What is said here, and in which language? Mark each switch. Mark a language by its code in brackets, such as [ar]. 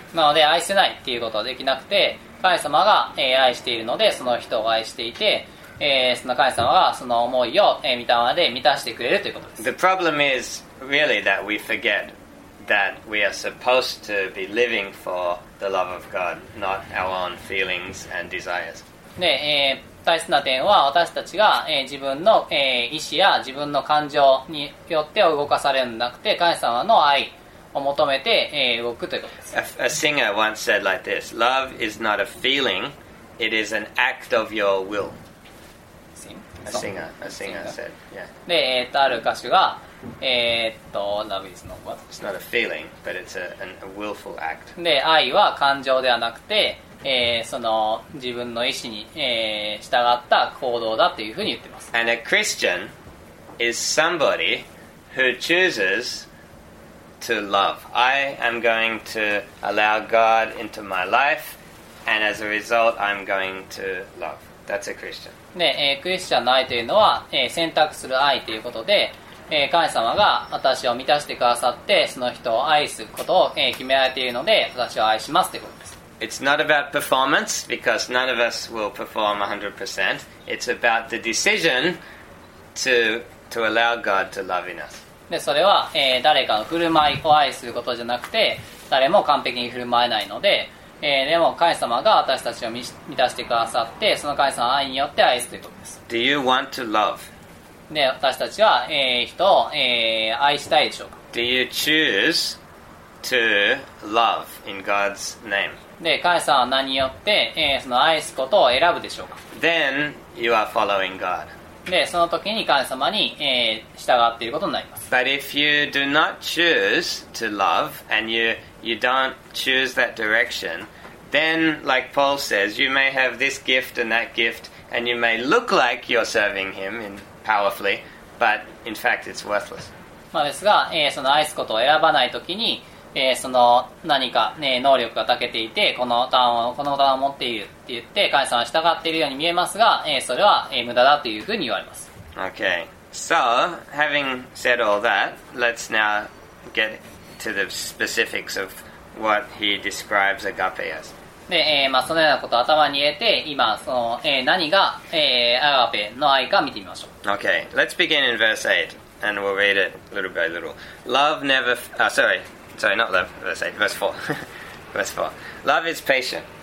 [ja] なので、愛せないっていうことはできなくて。神様が愛しているのでその人を愛していて、その神様がその思いを御霊で満たしてくれるということです。 [en] The problem is really that we forget that we are supposed to be living for the love of God, not our own feelings and desires. [ja] で、大切な点は私たちが、自分の、意思や自分の感情によって動かされるのではなくて、神様の愛を求めて、動くということです。 [en] A singer once said like this: Love is not a feeling, it is an act of your will. A singer said, yeah. [ja] で、ある歌手が、 [en] Love is not what? It's not a feeling, but it's a willful act. [ja] で、愛は感情ではなくて、その自分の意思に、従った行動だというふうに言ってます。 [en] And a Christian is somebody who chooses. To love. I am going to allow God into my life, and as a result, I'm going to love. That's a Christian. [ja] で、クリスチャンの愛というのは、選択する愛ということで、神様が私を満たしてくださって、その人を愛することを、決められているので、私を愛しますということです。 [en] It's not about performance, because none of us will perform 100%. It's about the decision to allow God to love in us. [ja] で、それは、誰かの振る舞いを愛することじゃなくて、誰も完璧に振る舞えないので、でも神様が私たちを満たしてくださって、その神様の愛によって愛すということです。 [en] Do you want to love? [ja] で、私たちは、人を、愛したいでしょうか? [en] Do you choose to love in God's name? [ja] で、神様は何によって、その愛すことを選ぶでしょうか? [en] Then you are following God. [ja] で、その時に神様に、従っていることになります。 [en] But if you do not choose to love and you don't choose that direction, then, like Paul says, you may have this gift and that gift, and you may look like you're serving him in powerfully, but in fact it's worthless. [ja] まあですが、その愛すことを選ばないときに、その何か、能力が長けていて、このターンをこのターンを持っているって言って、神様は従っているように見えますが、それは、無駄だというふうに言われます。 [en] Okay. So, having said all that, let's now get to the specifics of what he describes agape as. [ja] で、まあ、そのようなことを頭に入れて、今、その、何が、agape の愛か見てみましょう。 [en] Okay, let's begin in verse 8, and we'll read it little by little. Love never... Sorry, not love, verse 8, verse 4. verse 4. Love is patient.